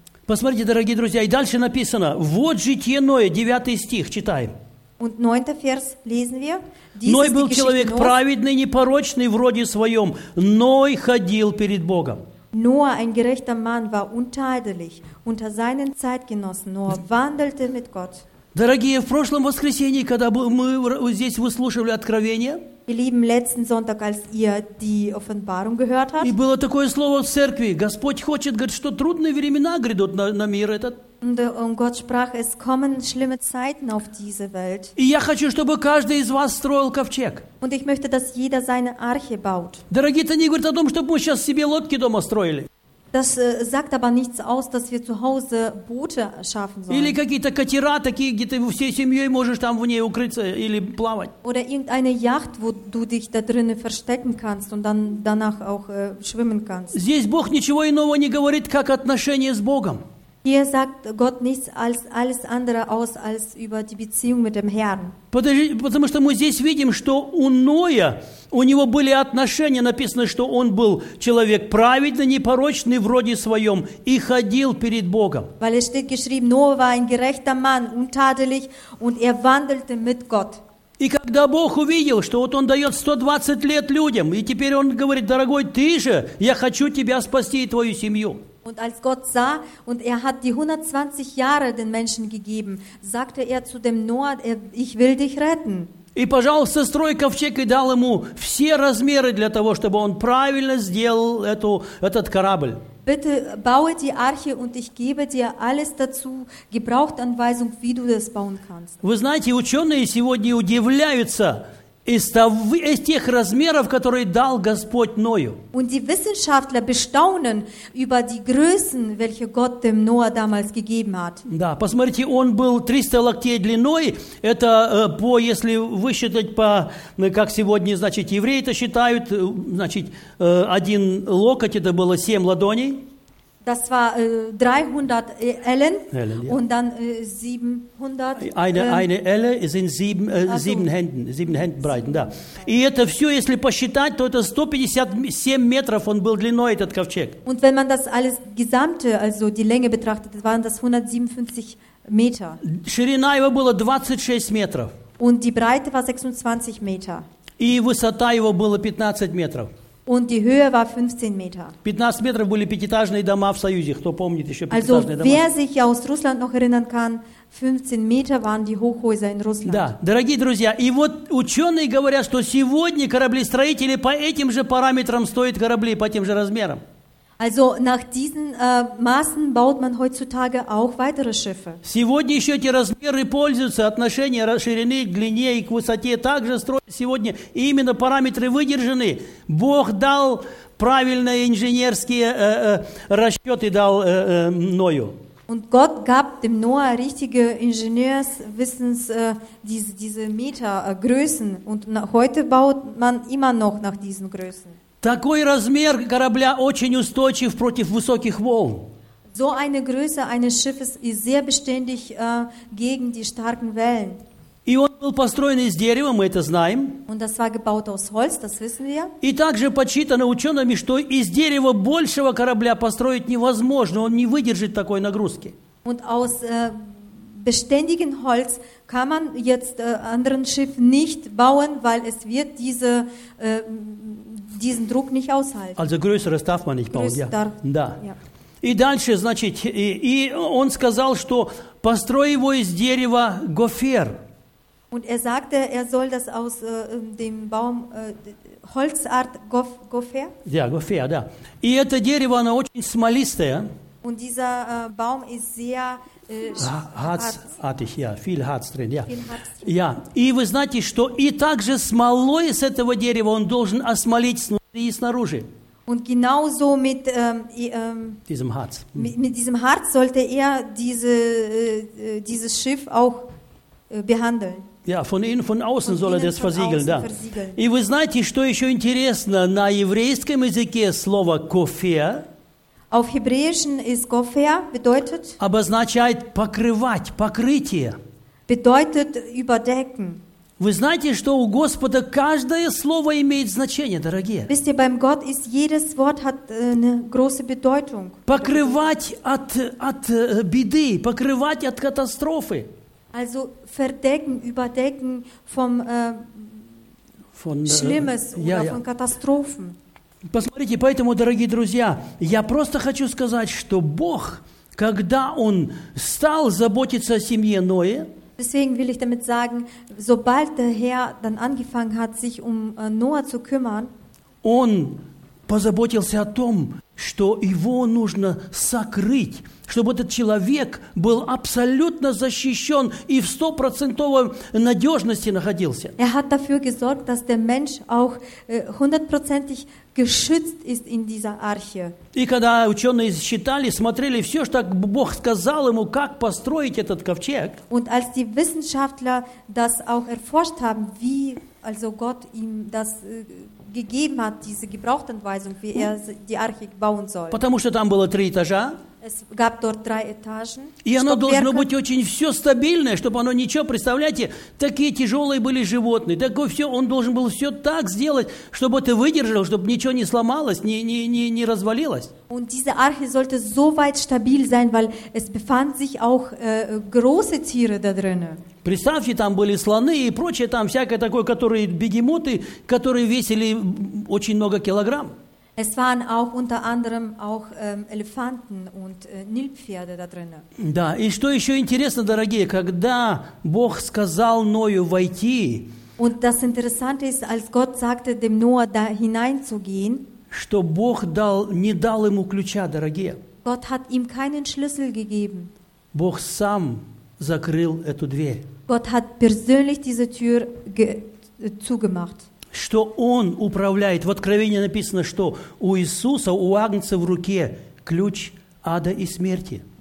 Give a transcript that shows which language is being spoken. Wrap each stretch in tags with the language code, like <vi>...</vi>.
<ru>Посмотрите, дорогие друзья, и дальше написано: вот житие Ноя, 9 стих, читаем.</ru> <de>Und 9. Vers lesen wir.</de> <ru>Ной был человек праведный, непорочный в роде своем. Ной ходил перед Богом.</ru> <de>Noah, ein gerechter Mann, war untadelig unter seinen Zeitgenossen. Noah wandelte mit Gott.</de> <ru>Дорогие, в прошлом воскресенье, когда мы здесь выслушивали Откровение,</ru> <de>ihr Lieben, letzten Sonntag, als ihr die Offenbarung gehört habt,</de> <ru>и было такое слово в церкви: Господь хочет, говорит, что трудные времена грядут на мир этот.</ru> <de>Und Gott sprach, es kommen schlimme Zeiten auf diese Welt.</de> <ru>И я хочу, чтобы каждый из вас строил ковчег.</ru> <de>Und ich möchte, dass jeder seine Arche baut.</de> <ru>Дорогие, это не говорит о том, чтобы мы сейчас себе лодки дома строили.</ru> <de>Das sagt aber nichts aus, dass wir zu Hause Boote schaffen sollen.</de> <ru>Или какие-то катера такие, где ты всей семьей можешь там в ней укрыться или плавать.</ru> <de>Oder irgendeine Yacht, wo du dich da drinnen verstecken kannst und dann danach auch schwimmen kannst.</de> <ru>Здесь Бог ничего иного не говорит, как отношение с Богом.</ru> <de>Hier sagt Gott nichts als alles andere aus als über die Beziehung mit dem Herrn.</de> <ru>Потому что мы здесь видим, что у Ноя, у него были отношения, написано, что он был человек праведный, непорочный в роде своем и ходил перед Богом.</ru> <de>Weil es steht geschrieben, Noah war ein gerechter Mann, untadelig, und wandelte mit Gott.</de> <ru>И когда Бог увидел, что вот он дает 120 лет людям, и теперь он говорит: дорогой, ты же, я хочу тебя спасти и твою семью.</ru> <de>Und als Gott sah, und hat die 120 Jahre den Menschen gegeben, sagte zu dem Noah, ich will dich retten.</de> <ru>И, пожалуйста, строй ковчег и дал ему все размеры для того, чтобы он правильно сделал этот корабль.</ru> <de>Bitte baue die Arche, und ich gebe dir alles dazu, Gebrauchsanweisung, wie du das bauen kannst.</de> <ru>Вы знаете, ученые сегодня удивляются из тех размеров, которые дал Господь Ною.</ru> <de>Und die Wissenschaftler bestaunen über die Größen, welche Gott dem Noah damals gegeben hat.</de> <ru>Да, посмотрите, он был 300 локтей длиной. Это по, если высчитать по, как сегодня, значит, евреи это считают, значит, один локоть, это было 7 ладоней.</ru> <de>Das war 300 Ellen, Ellen ja. Und dann 700. Eine Elle sind sieben Händen breiten, da.</de> <ru>И это все, если посчитать, то это 157 метров он был длиной, этот ковчег.</ru> <de>Und wenn man das alles Gesamte, also die Länge betrachtet, waren das 157 Meter.</de> <ru>Ширина его была 26 метров.</ru> <de>Und die Breite war 26 Meter.</de> <ru>И высота его была 15 метров.</ru> <de>Und die Höhe war 15 Meter.</de> <ru>15 метров были пятиэтажные дома в Союзе. Кто помнит еще пятиэтажные дома?</ru> <de>Also, wer sich aus Russland noch erinnern kann, 15 Meter waren die Hochhäuser in Russland.</de> <ru>Да, дорогие друзья, и вот ученые говорят, что сегодня кораблестроители по этим же параметрам строят корабли, по тем же размерам.</ru> <de>Also, nach diesen Maßen baut man heutzutage auch weitere Schiffe.</de> <ru>Сегодня еще эти размеры пользуются, отношение ширины к длине и к высоте также строят сегодня. И именно параметры выдержаны. Бог дал правильные инженерские расчеты дал Ною.</ru> <de>Und Gott gab dem Noah richtige Ingenieurswissens diese Metergrößen. Und heute baut man immer noch nach diesen Größen.</de> <ru>Такой размер корабля очень устойчив против высоких волн.</ru> <de>So eine Größe eines Schiffes ist sehr beständig gegen die starken Wellen.</de> <ru>И он был построен из дерева, мы это знаем.</ru> <de>Und das war gebaut aus Holz, das wissen wir.</de> <ru>И также подсчитано учеными, что из дерева большего корабля построить невозможно, он не выдержит такой нагрузки.</ru> <de>Und aus beständigem Holz kann man jetzt anderen Schiff nicht bauen, weil es wird diese diesen Druck nicht aushalten. Also größeres darf man nicht bauen, größer, ja. Да.</de> <ru>И дальше, значит, и он сказал, что построй его из дерева гофер.</ru> <de>Und er sagte, er soll das aus dem Baum Holzart gofer. Ja, gofer, да.</de> <ru>И это дерево, оно очень смолистое.</ru> <de>Und dieser Baum ist sehr Harzartig, ja, viel Harz drin, ja.</de> <ru>Ja, и вы знаете, что и также смолой с этого дерева он должен осмолить снутри и снаружи.</ru> <de>Und genauso mit diesem Harz. Mit diesem Harz sollte er dieses Schiff auch behandeln. Ja, von innen, von außen soll er das versiegeln, da.</de> <ru>И вы знаете, что еще интересно, на еврейском языке слово кофер.</ru> <de>Auf Hebräischen ist gofer bedeutet</de> <ru>обозначает покрывать, покрытие.</ru> <de>Bedeutet überdecken.</de> <ru>Вы знаете, что у Господа каждое слово имеет значение, дорогие?</ru> <de>Wisst ihr, beim Gott ist jedes Wort hat eine große Bedeutung.</de> <ru>Покрывать от беды, покрывать от катастрофы.</ru> <de>Also verdecken, überdecken vom von Schlimmes oder von Katastrophen.</de> <ru>Посмотрите, поэтому, дорогие друзья, я просто хочу сказать, что Бог, когда Он стал заботиться о семье Ное,</ru> <de>deswegen will ich damit sagen, sobald der Herr dann angefangen hat, sich Ноа zu kümmern,</de> <ru>Он позаботился о том, что его нужно сокрыть, чтобы этот человек был абсолютно защищен и в 100% надежности находился.</ru> <de>Er hat dafür gesorgt, dass der Mensch auch hundertprozentig geschützt ist in dieser Arche.</de> <ru>И когда ученые считали, смотрели все, что Бог сказал ему, как построить этот ковчег,</ru> <de>und als die Wissenschaftler das auch erforscht haben, wie also Gott ihm das gegeben hat, diese Gebrauchsanweisung, wie er die Arche bauen soll.</de> <ru>Потому что там было три этажа.</ru> <de>Es gab dort drei Etagen.</de> <ru>И оно должно быть очень все стабильное, чтобы оно ничего, представляете, такие тяжелые были животные. Такое все, он должен был все так сделать, чтобы это выдержало, чтобы ничего не сломалось, не развалилось.</ru> <de>Und diese Arche sollte so weit stabil sein, weil es befand sich auch große Tiere da drin.</de> <ru>Представьте, там были слоны и прочее, там всякое такое, которые бегемоты, которые весили очень много килограмм.</ru> <de>Es waren auch unter anderem auch Elefanten und Nilpferde da drin.</de> <ru>Да, и что еще интересно, дорогие, когда Бог сказал Ною войти.</ru> <de>Und das Interessante ist, als Gott sagte dem Noah da hineinzugehen.</de> <ru>Что Бог не дал ему ключа, дорогие.</ru> <de>Gott hat ihm keinen Schlüssel gegeben.</de> <ru>Бог сам закрыл эту дверь.</ru> <de>Gott hat persönlich diese Tür zugemacht.</de> <ru>Что он управляет? В Откровении написано, что у Иисуса, у Агнца в руке ключ ада и смерти.</ru>